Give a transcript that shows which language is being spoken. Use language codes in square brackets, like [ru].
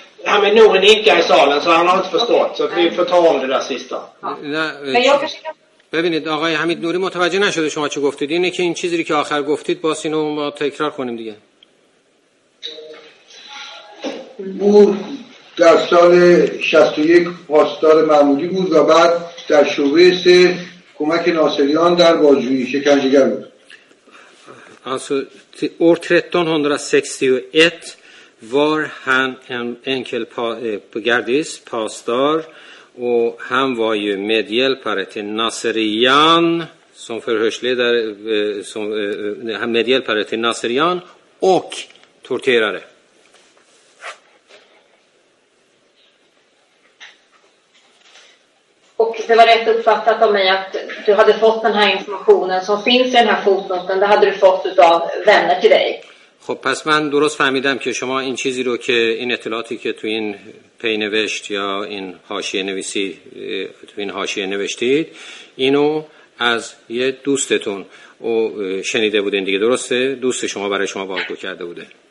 [sv] Hamid Nouri nickar i salen så han har inte förstått. Så vi får ta om det där sista. Ja. [fa] ببینید آقای حمید نوری متوجه نشده شما چه گفتید. اینه که این چیزی که آخر گفتید باز اینو ما تکرار کنیم دیگه. او در سال 61 پاسدار معمولی بود و بعد در شعبه 3 کمک ناصریان در بازجویی شکنجهگر بود. [sv] Alltså år 1361 var han en enkel gardis, pastor, och han var ju medhjälpare till Nasserian som förhörsledare, som han medhjälpare till Nasserian och torterare. Och det var rätt uppfattat av mig att du hade fått den här informationen som finns i den här fotnoten, det hade du fått av vänner till dig. [fa] خب پس من درست فهمیدم که شما این چیزی رو که این اطلاعاتی که تو این پینوشت یا این حاشیه نویسی تو این حاشیه نوشتید اینو از یه دوستتون او شنیده بودین دیگه، درسته؟ دوست شما برای شما بازگو کرده بوده.